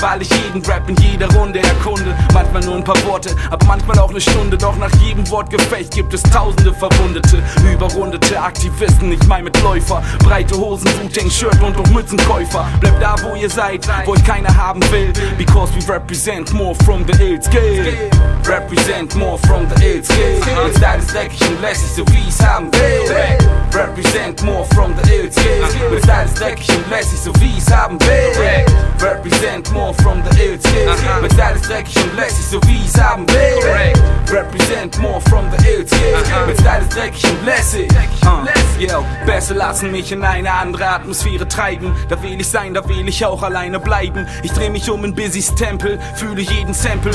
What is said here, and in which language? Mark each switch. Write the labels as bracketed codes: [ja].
[de] Weil ich jeden Rap in jeder Runde erkunde. Manchmal nur ein paar Worte, aber manchmal auch eine Stunde. Doch nach jedem Wortgefecht gibt es tausende Verwundete, überrundete Aktivisten, ich mein mit Läufer. Breite Hosen, Wu-Tang, Shirt und auch Mützenkäufer. Bleibt da, wo ihr seid, wo euch keiner haben will. [en] Because we represent more from the ill skill. Represent more from the ill skill. [de] Mein Style ist dreckig und lässig, so wie ich's haben will. [en] Represent more from the ill skill. [de] Mein Style ist dreckig und lässig, so wie ich's haben will. [en] Represent more from the ill skill. [de] Mein Style ist dreckig und lässig, so wie ich's haben will. [en] Represent more from the [de] mit Style ist dreckig und lässig. Yo, besser lassen mich in eine andere Atmosphäre treiben. Da will ich sein, da will ich auch alleine bleiben. Ich dreh mich um in Busys Tempel, fühle jeden Sample.